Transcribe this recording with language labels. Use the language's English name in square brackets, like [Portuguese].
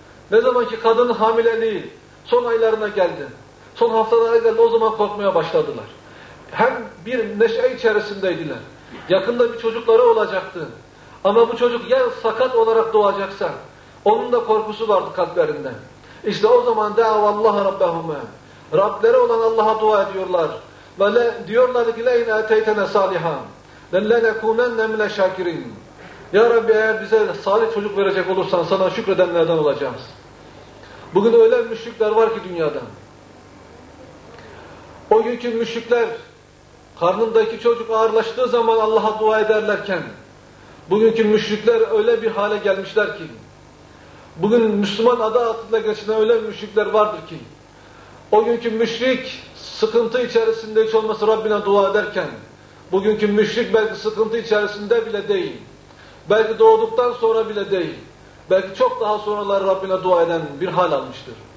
[Turkish] Ne zaman ki kadının hamileliği son aylarına geldi, son haftalara geldi, o zaman korkmaya başladılar. Hem bir neşe içerisindeydiler. Yakında bir çocukları olacaktı. Ama bu çocuk ya sakat olarak doğacaksa, onun da korkusu vardı kalplerinde. İşte o zaman [Arabic] دَعَوَ اللّٰهَ رَبَّهُمَا. [Turkish] Rableri olan Allah'a dua ediyorlar. Ve diyorlar ki [Arabic] لَيْنْ اَتَيْتَنَا صَالِحًا لَنَكُونَنَّ مِنَ الشَّاكِرِينَ. [Turkish] Ya Rabbi, eğer bize salih çocuk verecek olursan sana şükredenlerden olacağız. Bugün öyle müşrikler var ki dünyada. O günkü müşrikler karnındaki çocuk ağırlaştığı zaman Allah'a dua ederlerken bugünkü müşrikler öyle bir hale gelmişler ki, bugün Müslüman adı altında geçinen öyle müşrikler vardır ki, o günkü müşrik sıkıntı içerisinde hiç olmasa Rabbine dua ederken, bugünkü müşrik belki sıkıntı içerisinde bile değil, belki doğduktan sonra bile değil, belki çok daha sonralar Rabbine dua eden bir hal almıştır.